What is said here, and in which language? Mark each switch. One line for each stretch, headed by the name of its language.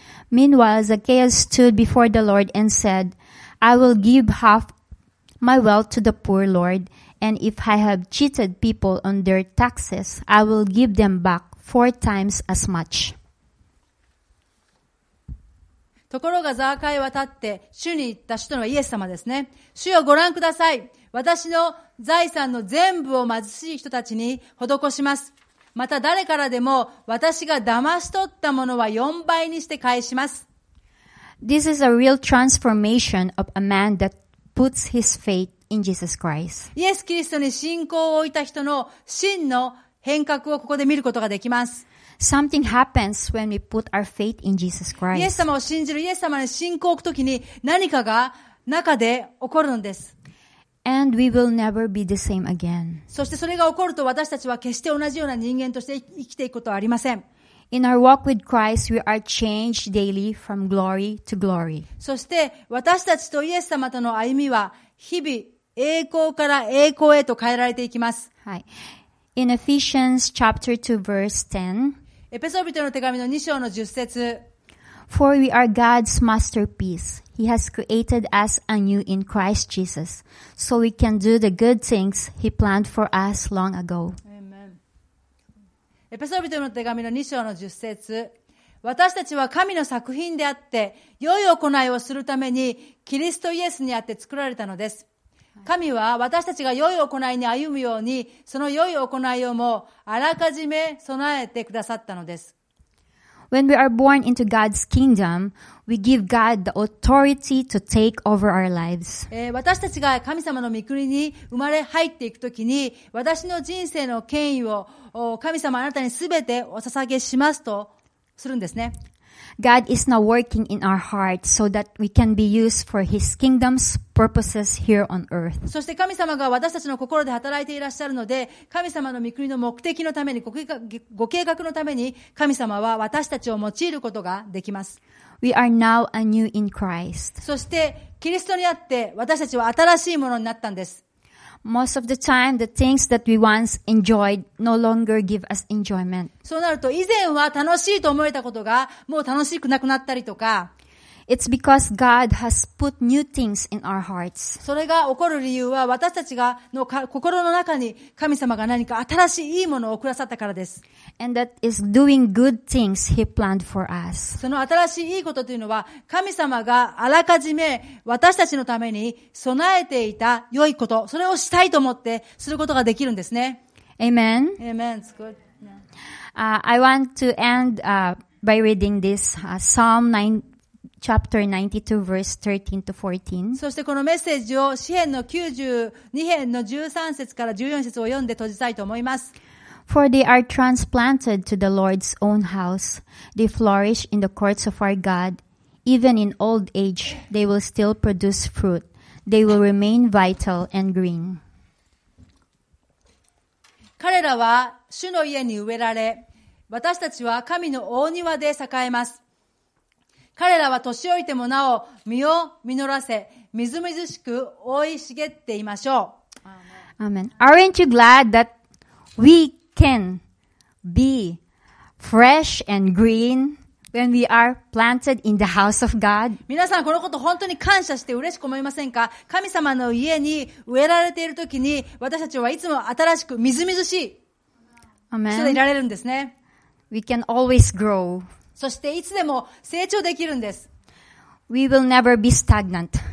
English: Meanwhile, Zacchaeus stood before the Lord and said,I will give half my wealth to the poor Lord, and if I have cheated people on their taxes, I will give them back four times as much.
Japanese: ところがザーカイは立って主に言った主とのイエス様ですね。主よご覧ください。私の財産の全部を貧しい人たちに施します。また誰からでも私が騙し取ったものは四倍にして返します。
English: This is a real transformation of a man that puts his faith in Jesus Christ.
Japanese: イエス・キリストに信仰を置いた人の真の変革をここで見ることができます。
English: Something happens when we put our faith in Jesus Christ.
Japanese: イエス様を信じる、イエス様に信仰を置くときに何かが中で起こるのです。
English: And we will never be the same again.
Japanese: そしてそれが起こると私たちは決して同じような人間として生きていくことはありません。
English: In our walk with Christ, we are changed daily from glory to glory.
Japanese: そして私たちとイエス様との歩みは日々栄光から栄光へと変えられていきます。
English: はい。In Ephesians chapter 2 verse 10.
Japanese: エペソ人の手紙の2章の10節。
English: For we are God's masterpiece. He has created us anew in Christ Jesus, so we can do the good things He planned for us long ago.
Japanese: エペソ人の手紙の2章の10節、私たちは神の作品であって良い行いをするためにキリストイエスにあって作られたのです。神は私たちが良い行いに歩むようにその良い行いをもあらかじめ備えてくださったのです。
English: When we are born into God's kingdom, we give God the authority to take over our lives.
Japanese: 私たちが神様の御国に生まれ入っていくときに私の人生の権威を神様あなたにすべてお捧げしますとするんですね。
English: God is now working in our hearts so that we can be used for His kingdom's purposes here on earth.
Japanese: そして神様が私たちの心で働いていらっしゃるので、神様の御国の目的のために、ご計画のために、神様は私たちを用いることができます。
English: We are now anew in Christ.
Japanese: そしてキリストにあって私たちは新しいものになったんです。
English: Most of the time, the things that we once enjoyed no longer give us enjoyment.
Japanese: そうなると以前は楽しいと思えたことがもう楽しくなくなったりとか。
English: It's because God has put new things in our hearts.
Japanese: それが起こる理由は私たちがの心の中に神様が何か新しい良いものを送らさったからです。
English: And that is doing good things He planned for us.
Japanese: その新しい良いことというのは神様があらかじめ私たちのために備えていた良いこと、それをしたいと思ってすることができるんですね。
English: Amen. Amen. It's good. I want to end by reading this Psalm 9. Chapter 92, verse 13 to 14.
Japanese: そしてこのメッセージを詩篇の92編の13節から14節を読んで閉じたいと思います。
English: For they are transplanted to the Lord's own house. They flourish in the courts of our God. Even in old age, they will still produce fruit. They will remain vital and green.
Japanese: 彼らは主の家に植えられ、私たちは神の大庭で栄えます。彼らは年老いてもなお実を実らせ、みずみずしく覆い茂っていましょう。
English: Amen. Aren't you glad that we can be fresh and green when we are planted in the house of God.
Japanese: 皆さん、このこと本当に感謝して嬉しく思いませんか？神様の家に植えられているときに、私たちはいつも新しく、みずみずしい。
English: Amen.
Japanese: そういられるんですね。
English: We can always grow.
Japanese: そして、いつでも成長できるんです。
English: We will never be stagnant.